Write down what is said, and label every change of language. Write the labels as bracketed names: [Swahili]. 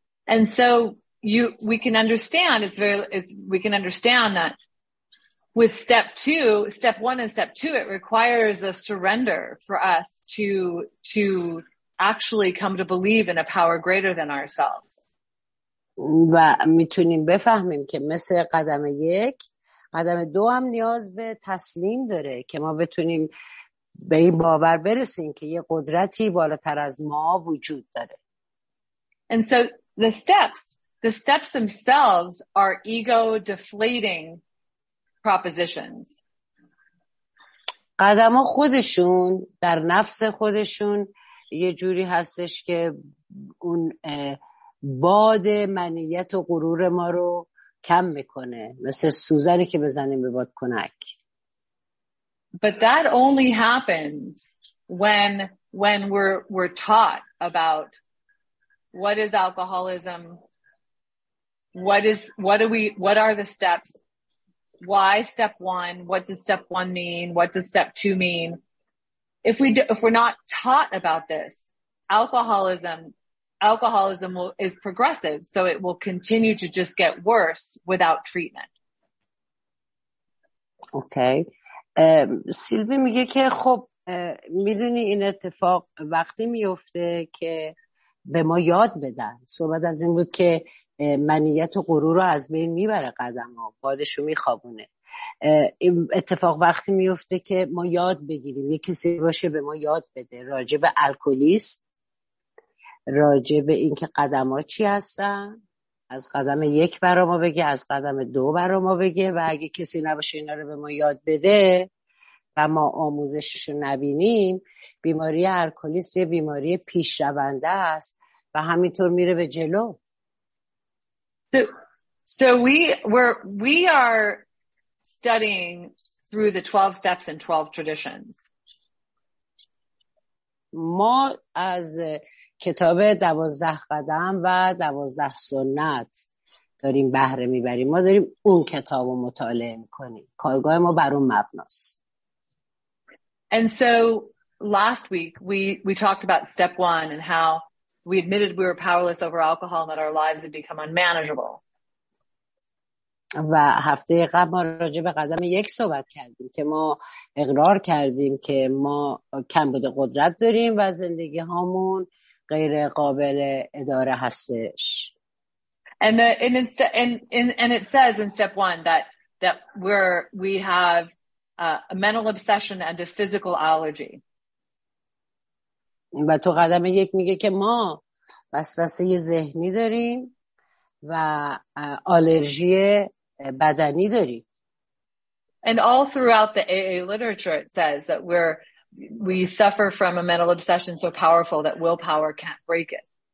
[English] And so we can understand that with step 2, step 1 and step 2, it requires a surrender for us to actually come to believe in a power greater than ourselves. [Persian] و میتونیم بفهمیم که مثل قدم یک، قدم دو هم نیاز به تسلیم داره که ما بتونیم به این باور برسیم که یه قدرتی بالاتر از ما وجود داره. [English] And so the steps themselves are ego deflating propositions. [Persian] قدم ها خودشون در نفس خودشون یه جوری هستش که اون باد منیت و غرور ما رو کم میکنه، مثل سوزنی که بزنیم به باد کنک. [English] But that only happens when we're taught about what is alcoholism, what are the steps, why step one, what does step one mean, what does step two mean. If we're not taught about this, alcoholism is progressive, so it will continue to just get worse without treatment. Okay. [Persian] سیلوی میگه که خب میدونی این اتفاق وقتی میفته که به ما یاد بدن. صحبت از این بود که منیت و غرور رو از بین میبره قدم ها. بادشو میخوابونه. اتفاق وقتی میفته که ما یاد بگیریم. یک کسی باشه به ما یاد بده. راجع به الکلیسم، راجع به این که قدم ها چی هستن، از قدم یک برا ما بگه، از قدم دو برا ما بگه، و اگه کسی نباشه اینا رو به ما یاد بده و ما آموزشش رو نبینیم، بیماری الکلیسم یه بیماری پیش رونده است و همینطور میره به جلو. [English] So we are studying through the 12 steps and 12 traditions. [Persian] ما از کتاب 12 قدم و 12 سنت داریم بهره میبریم. ما داریم اون کتاب رو مطالعه میکنیم. کارگاه ما بر اون مبناست. [English] And so last week we talked about step one and how we admitted we were powerless over alcohol and that our lives had become unmanageable. [Persian] و هفته قبل ما راجع به قدم یک صحبت کردیم که ما اقرار کردیم که ما کمبود قدرت داریم و زندگی هامون غیر قابل اداره هستش. [English] And it says in step 1 that we have a mental obsession and a physical allergy. [Persian] و تو قدم یک میگه که ما وسوسه ذهنی داریم و آلرژی بدنی داریم. [English] And all throughout the AA literature, it says that we suffer from a mental obsession so powerful that willpower can't break it.